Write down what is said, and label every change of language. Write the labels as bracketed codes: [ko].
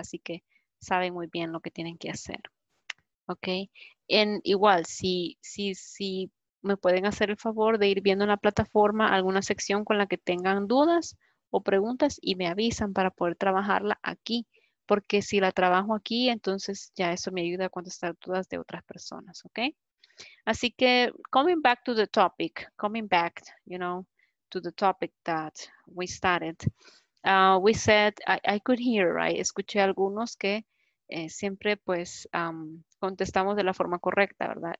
[es] Así que saben muy bien lo que tienen que hacer. Okay, and igual, si me pueden hacer el favor de ir viendo en la plataforma alguna sección con la que tengan dudas o preguntas y me avisan para poder trabajarla aquí, porque si la trabajo aquí, entonces ya eso me ayuda cuando están dudas de otras personas, okay? Así que, [en] coming back, you know, to the topic that we started, we said, I could hear, right? [es] Escuché algunos que siempre, pues, contestamos de la forma correcta, ¿verdad?